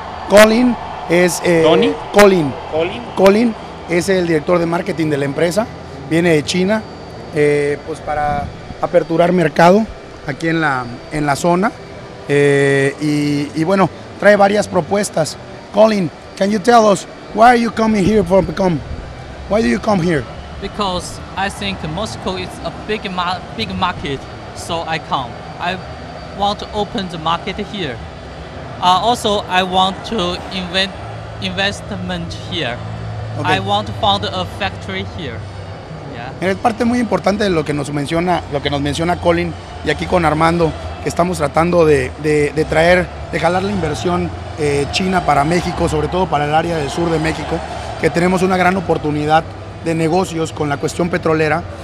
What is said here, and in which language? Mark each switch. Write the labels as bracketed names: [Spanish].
[Spanish] Colin, es... ¿Tony? Colin. ¿Colin? Colin es el director de marketing de la empresa, viene de China, pues para aperturar mercado aquí en la zona. Y bueno, trae varias propuestas. [English] Colin, can you tell us why are you coming here from Pecom? Why do you come here? Because I think Moscow is a big big market, so I come. I want to open the market here. Also, I want to investment here. Okay. I want to found a factory here. Yeah. [Spanish] Es parte muy importante de lo que nos menciona Colin y aquí con Armando, que estamos tratando de traer, de jalar la inversión china para México, sobre todo para el área del sur de México, que tenemos una gran oportunidad de negocios con la cuestión petrolera.